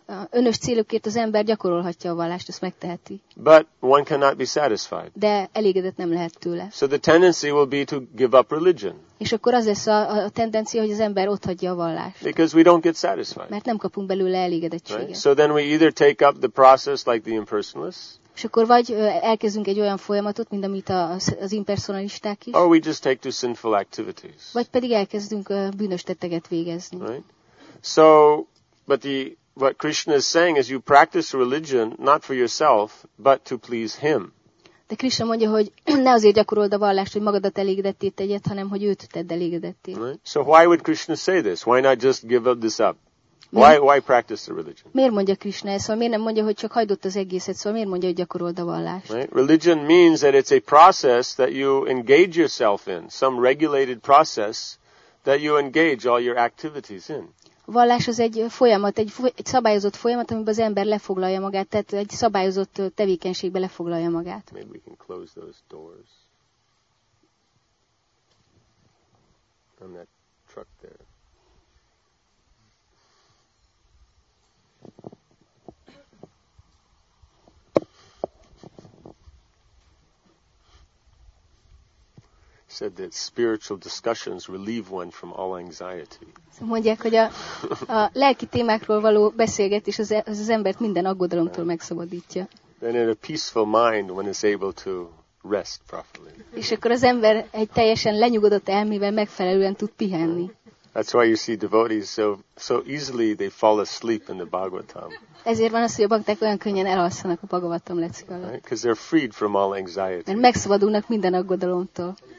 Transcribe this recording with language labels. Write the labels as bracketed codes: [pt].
[hu] Önös célokért az ember gyakorolhatja a vallást, ezt megteheti. [en] But one cannot be satisfied. [hu] De elégedett nem lehet tőle. [en] So the tendency will be to give up religion. [hu] És akkor az lesz a tendencia, hogy az ember otthagyja a vallást. [en] Because we don't get satisfied. [hu] Mert nem kapunk belőle elégedettséget. [en] Right? So then we either take up the process like the impersonalists. [hu] És akkor vagy elkezdünk egy olyan folyamatot, mint amit az impersonalisták is. [en] Or we just take to sinful activities. [hu] Vagy pedig elkezdünk bűnös tetteket végezni. [en] Right? So, but the what Krishna is saying is you practice religion not for yourself, but to please him. [hu] De Krishna mondja, hogy ne azért gyakorold a vallást, hogy magadat elégedetté tegyed, hanem hogy őt tedd elégedetté. [en] Right? So why would Krishna say this? Why not just give up this up? Why practice the religion? [hu] Miért mondja Krishna ezt? Szóval miért nem mondja, hogy csak hagyd ott az egészet? Szóval miért mondja, hogy gyakorold a vallást? [en] Right? Religion means that it's a process that you engage yourself in, some regulated process that you engage all your activities in. [hu] Vallás az egy folyamat, egy szabályozott folyamat, amiben az ember lefoglalja magát, tehát egy szabályozott tevékenységbe lefoglalja magát. [en] Maybe we can close those doors. On that truck there. Said that spiritual discussions relieve one from all anxiety. [hu] Mondják, hogy a lelki témákról való beszélgetés az embert minden aggodalomtól megszabadítja. [en] Then in a peaceful mind one is able to rest properly. [hu] És akkor az ember egy teljesen lenyugodott elmével megfelelően tud pihenni. [en] That's why you see devotees so easily they fall asleep in the Bhagavatam. [hu] Ezért van az, hogy a bakták olyan könnyen elalszanak a Bhagavatam lecke alatt. [en] Right? Because they're freed from all anxiety. [hu] Mert megszabadulnak minden aggodalomtól.